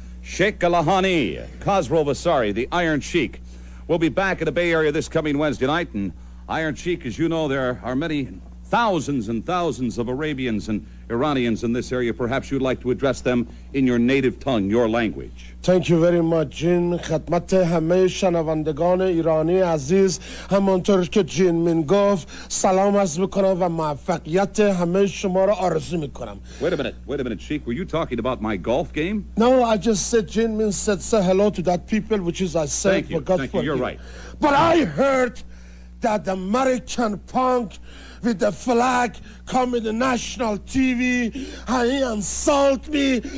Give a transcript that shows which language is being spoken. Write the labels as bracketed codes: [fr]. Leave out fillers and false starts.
[en] Sheik Alahani, Khosrow Vasari, the Iron Sheik. We'll be back at the Bay Area this coming Wednesday night. And Iron Sheik, as you know, there are many thousands and thousands of Arabians and Iranians in this area. Perhaps you'd like to address them in your native tongue, your language. Thank you very much, Jin. [fa] خدمت همه شنوندگان ایرانی عزیز همانطور که جین من گفت سلام عرض میکنم و موفقیت همه شما را آرزو میکنم. [en] Wait a minute, Sheik. Were you talking about my golf game? No, I just said Jin Min said say hello to that people, which is I said. Thank you. You're right. But I heard that the American punk with the flag coming to national TV, and he insulted me.